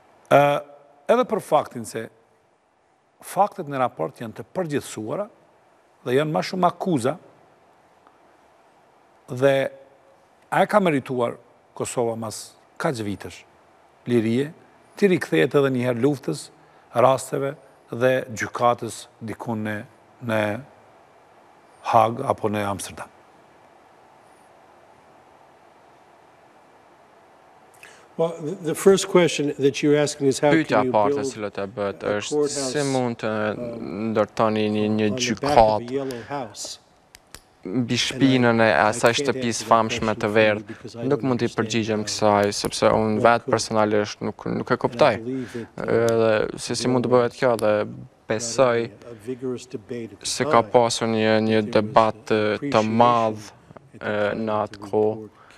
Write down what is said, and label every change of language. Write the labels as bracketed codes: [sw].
[sq] Edhe për faktin se faktet në raport janë të përgjithsuara dhe janë ma shumë akuza dhe a e ka merituar Kosova mas kaq vitesh lirie, ti rikthehet edhe njëherë luftës, rasteve dhe gjykatës dikun në Hagë apo në Amsterdam. [en] Well, the first question that you're asking is how can you build a courthouse [sq] si mund të ndërtoni një gjykatë mbi shpinën e asaj shtëpisë famshme të verdhë. Nuk mund t'i përgjigjem kësaj, sepse unë vetë personalisht nuk e kuptoj. Dhe si mund të bëhet kjo, dhe besoj se ka pasur një debat të madhë në atë kohë.